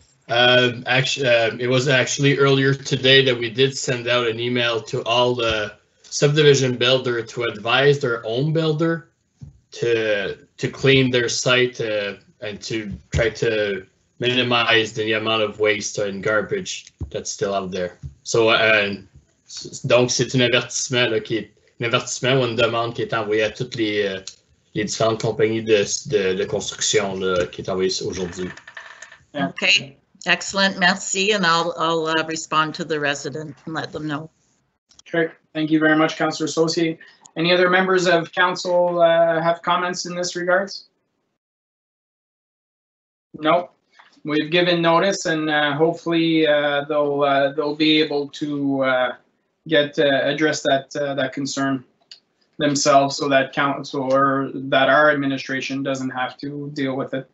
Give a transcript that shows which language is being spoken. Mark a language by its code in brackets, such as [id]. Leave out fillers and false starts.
[en] It was actually earlier today that we did send out an email to all the subdivision builder to advise their own builder to clean their site and to try to minimize the amount of waste and garbage that's still out there. [fr] So, donc c'est un avertissement là, qui est un avertissement ou une demande qui est envoyée à toutes les différentes compagnies de construction là, qui est envoyée aujourd'hui. [en] Okay, excellent. Merci, and I'll respond to the resident and let them know. Sure. Thank you very much, Councillor Associate. Any other members of council have comments in this regards? No. Nope. We've given notice, and hopefully they'll be able to get address that that concern themselves, so that council or that our administration doesn't have to deal with it.